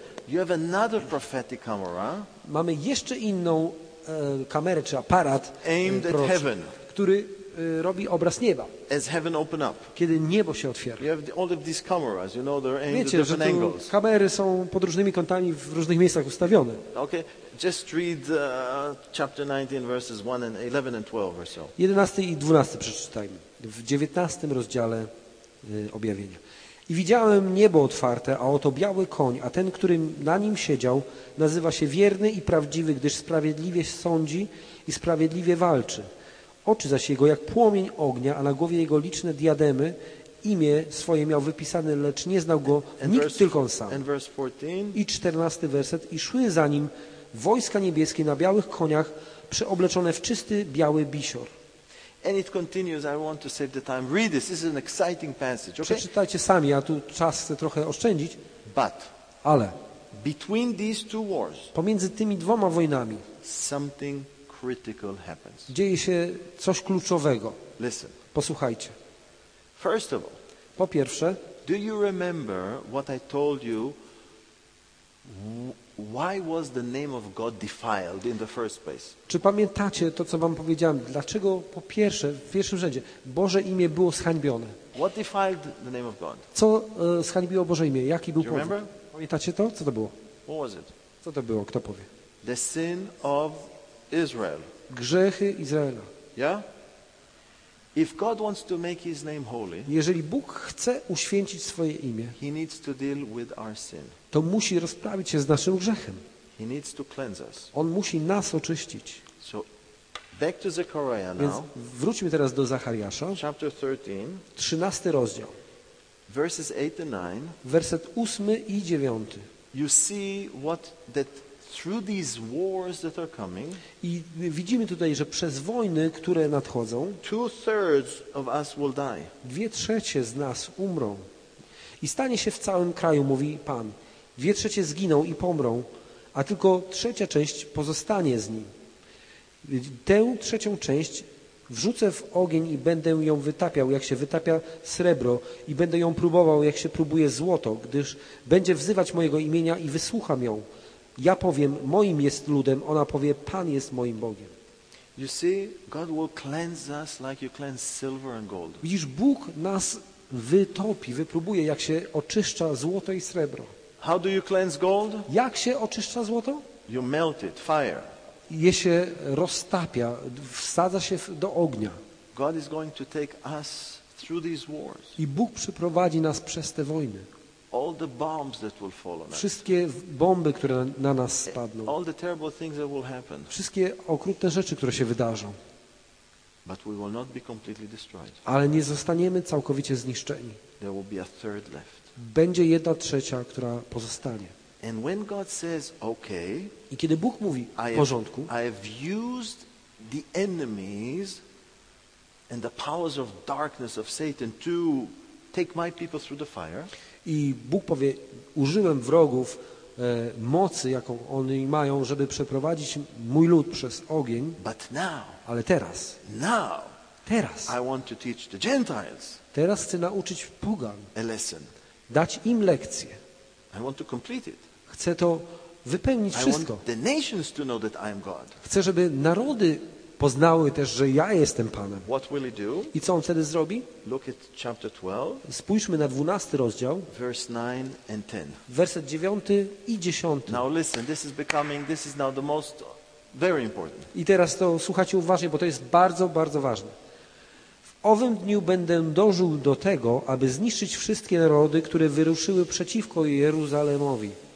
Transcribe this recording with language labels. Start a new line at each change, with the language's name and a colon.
English: You have another prophetic camera.
Polish: Mamy jeszcze inną kamerę czy aparat,
English: aimed at heaven,
Polish: który robi obraz nieba.
English: As heaven open up.
Polish: Kiedy niebo się otwiera.
English: You have all of these cameras, you know, they're aimed at different angles.
Polish: Wiecie, że tu kamery są pod różnymi kątami w różnych miejscach ustawione.
English: Okay. Just read chapter 19 verses 1 and 11 and 12 or so.
Polish: 11 i 12 przeczytajmy w 19 rozdziale objawienia. I widziałem niebo otwarte, a oto biały koń, a ten, który na nim siedział, nazywa się wierny i prawdziwy, gdyż sprawiedliwie sądzi i sprawiedliwie walczy. Oczy zaś jego jak płomień ognia, a na głowie jego liczne diademy. Imię swoje miał wypisane, lecz nie znał go nikt, tylko on sam. I 14 werset. I szły za nim wojska niebieskie na białych koniach, przeobleczone w czysty biały bisior.
English: And it continues. I want to save the time. Read this. This is an exciting passage. Okay?
Polish: Przeczytajcie sami. Ja tu czas chcę trochę oszczędzić.
English: But.
Polish: Ale.
English: Between these two wars.
Polish: Pomiędzy tymi dwoma wojnami.
English: Something critical happens.
Polish: Dzieje się coś kluczowego.
English: Listen.
Polish: Posłuchajcie.
English: First of all.
Polish: Po pierwsze.
English: Do you remember what I told you? Why was the name of God defiled in the first place?
Polish: Czy pamiętacie to, co wam powiedziałem? Dlaczego po pierwsze, w pierwszym rzędzie, Boże imię było zhańbione?
English: What defiled the name of God?
Polish: Co zhańbiło Boże imię? Jaki był powód?
English: Remember?
Polish: Pamiętacie to? Co to było?
English: What was it?
Polish: Co to było? Kto powie?
English: The sin of Israel.
Polish: Grzechy Izraela.
English: Yeah? If God wants to make his name holy,
Polish: jeżeli Bóg chce uświęcić swoje imię,
English: he needs to deal with our sin.
Polish: To musi rozprawić się z naszym grzechem.
English: He needs to cleanse us.
Polish: On musi nas oczyścić.
English: So, back to Zechariah now.
Polish: Więc wróćmy teraz do Zachariasza.
English: Chapter 13.
Polish: 13 rozdział.
English: Verses 8 and 9.
Polish: Werset 8 i 9.
English: You see what that through these wars that are coming.
Polish: I widzimy tutaj, że przez wojny, które nadchodzą,
English: 2/3 of us will die.
Polish: 2/3 z nas umrą. I stanie się w całym kraju, mówi Pan. 2/3 zginą i pomrą, a tylko 1/3 pozostanie z nim. Tę 1/3 wrzucę w ogień i będę ją wytapiał, jak się wytapia srebro, i będę ją próbował, jak się próbuje złoto, gdyż będzie wzywać mojego imienia i wysłucham ją. Ja powiem, moim jest ludem, ona powie, Pan jest moim Bogiem.
English: You see, God will cleanse us like you cleanse silver and gold.
Polish: Widzisz, Bóg nas wytopi, wypróbuje, jak się oczyszcza złoto i srebro.
English: How do you cleanse gold?
Polish: Jak się oczyszcza złoto?
English: You melt it, fire.
Polish: Je się roztapia, wsadza się do ognia.
English: God is going to take us through these wars.
Polish: I Bóg przeprowadzi nas przez te wojny.
English: All the bombs that will fall on us.
Polish: Wszystkie bomby, które na nas spadną.
English: All the terrible things that will happen.
Polish: Wszystkie okrutne rzeczy, które się wydarzą.
English: But we will not be completely destroyed.
Polish: Ale nie zostaniemy całkowicie zniszczeni.
English: There will be a third left.
Polish: Będzie 1/3, która pozostanie.
English: And when God says, okay,
Polish: i kiedy Bóg mówi, w porządku,
English: I have used the enemies and the powers of darkness of Satan to take my people through the fire.
Polish: I Bóg powie, użyłem wrogów mocy, jaką oni mają, żeby przeprowadzić mój lud przez ogień.
English: But now,
Polish: ale teraz,
English: now,
Polish: teraz,
English: I want to teach the Gentiles,
Polish: teraz chcę nauczyć pogan
English: a lesson.
Polish: Dać im lekcję.
English: I want to complete it.
Polish: Chcę to wypełnić wszystko.
English: I want the nations to know that I am God.
Polish: Chcę, żeby narody poznały też, że ja jestem Panem.
English: What will he do?
Polish: I co on wtedy zrobi?
English: Look at chapter 12,
Polish: spójrzmy na 12 rozdział.
English: Verse 9 and 10.
Polish: Werset 9 i 10.
English: Now listen, this is becoming, this is now the most very important.
Polish: I teraz to słuchajcie uważnie, bo to jest bardzo, bardzo ważne. W owym dniu będę dążył do tego, aby zniszczyć wszystkie narody, które wyruszyły przeciwko Jeruzalemowi.